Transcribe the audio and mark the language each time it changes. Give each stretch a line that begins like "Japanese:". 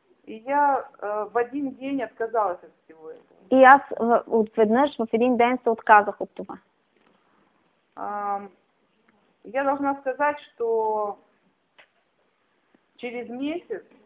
Russian: И я в один день отказалась от всего этого.
Bulgarian: И аз отведнъж в един ден се отказах от това.
Russian: Я должна сказать, что через месяц,